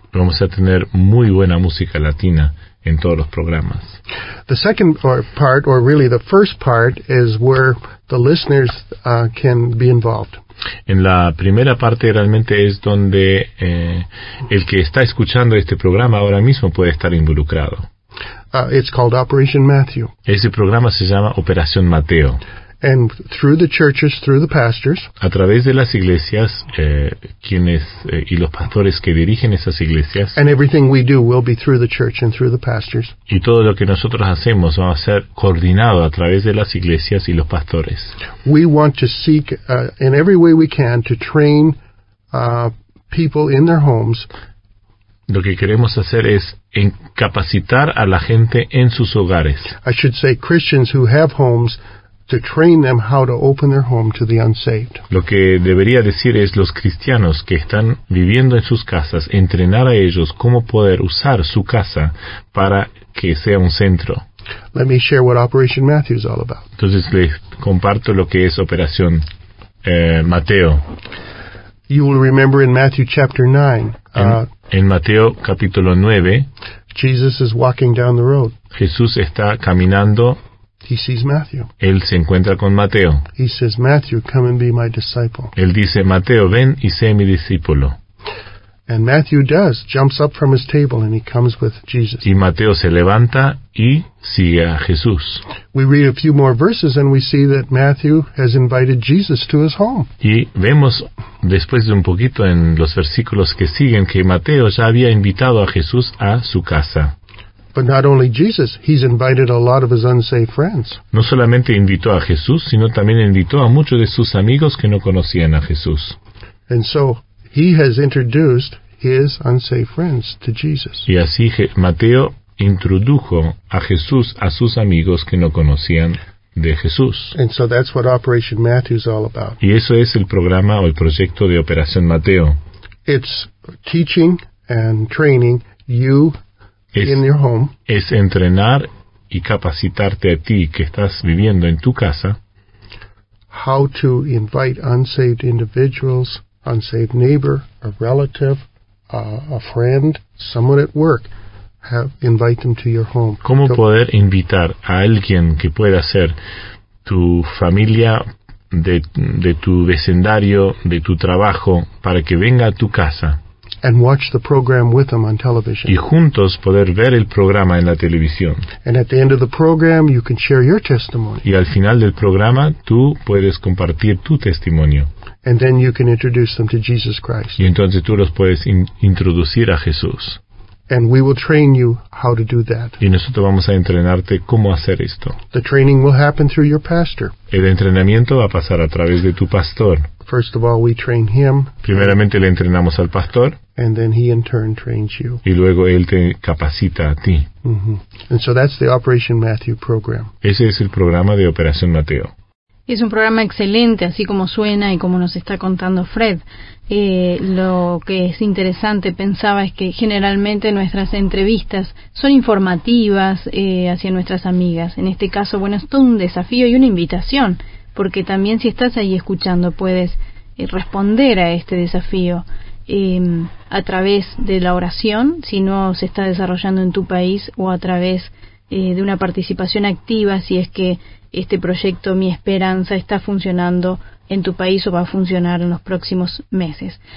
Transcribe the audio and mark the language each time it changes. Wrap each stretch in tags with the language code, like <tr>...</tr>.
<es>Vamos a tener muy buena música latina en todos los programas.</es> <en>The second part, or really the first part, is where the listeners can be involved.</en> <es>En la primera parte realmente es donde el que está escuchando este programa ahora mismo puede estar involucrado.</es> <en>It's called Operation Matthew.</en> <es>Ese programa se llama Operación Mateo.</es> <en>And through the churches, through the pastors,</en> <es>a través de las iglesias, quienes y los pastores que dirigen esas iglesias,</es> <en>and everything we do will be through the church and through the pastors.</en> <es>Y todo lo que nosotros hacemos va a ser coordinado a través de las iglesias y los pastores.</es> <en>We want to seek in every way we can to train people in their homes.</en> <es>Lo que queremos hacer es incapacitar a la gente en sus hogares.</es> <en>I should say Christians who have homes, to train them how to open their home to the unsaved.</en> <es>Lo que debería decir es los cristianos que están viviendo en sus casas, entrenar a ellos cómo poder usar su casa para que sea un centro.</es> <en>Let me share what Operation Matthew is all about.</en> <es>Entonces les comparto lo que es Operación Mateo.</es> <en>You will remember in Matthew chapter 9.</en> <es>En Mateo capítulo 9.</es> <en>Jesus is walking down the road.</en> <es>Jesús está caminando.</es> <en>He sees Matthew.</en> <es>Él se encuentra con Mateo.</es> <en>He says, Matthew, come and be my disciple.</en> <es>Él dice, Mateo, ven y sé mi discípulo.</es> <en>And Matthew does, jumps up from his table and he comes with Jesus.</en> <es>Y Mateo se levanta y sigue a Jesús.</es> <en>We read a few more verses and we see that Matthew has invited Jesus to his home.</en> <es>Y vemos después de un poquito en los versículos que siguen que Mateo ya había invitado a Jesús a su casa.</es> <en>But not only Jesus, he's invited a lot of his unsaved friends.</en> <es>No solamente invitó a Jesús, sino también invitó a muchos de sus amigos que no conocían a Jesús.</es> <en>And so he has introduced his unsaved friends to Jesus.</en> <es>Y así Mateo introdujo a Jesús a sus amigos que no conocían de Jesús.</es> <en>And so that's what Operation Matthew is all about.</en> <es>Y eso es el programa o el proyecto de Operación Mateo.</es> <en>It's teaching and training you. In your home,</en> <es>es entrenar y capacitarte a ti que estás viviendo en tu casa.</es> <en>How to invite unsaved individuals, unsaved neighbor, a relative, a friend, someone at work, invite them to your home.</en> <es>¿Cómo poder invitar a alguien que pueda ser tu familia, de tu vecindario, de tu trabajo, para que venga a tu casa?</es> <en>And watch the program with them on television.</en> <es>Y juntos poder ver el programa en la televisión.</es> <en>And at the end of the program, you can share your testimony.</en> <es>Y al final del programa, tú puedes compartir tu testimonio.</es> <en>And then you can introduce them to Jesus Christ.</en> <es>Y entonces tú los puedes introducir a Jesús.</es> <en>And we will train you how to do that.</en> <es>Y nosotros vamos a entrenarte cómo hacer esto.</es> <en>The training will happen through your pastor.</en> <es>El entrenamiento va a pasar a través de tu pastor.</es> <en>First of all, we train him.</en> <es>Primeramente le entrenamos al pastor.</es> <en>And then he in turn trains you.</en> <es>Y luego él te capacita a ti. Mm-hmm.</es> <en>And so that's the Operation Matthew program.</en> <es>Ese es el programa de Operación Mateo. Es un programa excelente, así como suena y como nos está contando Fred. Lo que es interesante, pensaba, es que generalmente nuestras entrevistas son informativas hacia nuestras amigas. En este caso, bueno, es todo un desafío y una invitación, porque también si estás ahí escuchando puedes responder a este desafío a través de la oración, si no se está desarrollando en tu país, o a través de una participación activa, si es que este proyecto Mi Esperanza está funcionando en tu país o va a funcionar en los próximos meses.</es>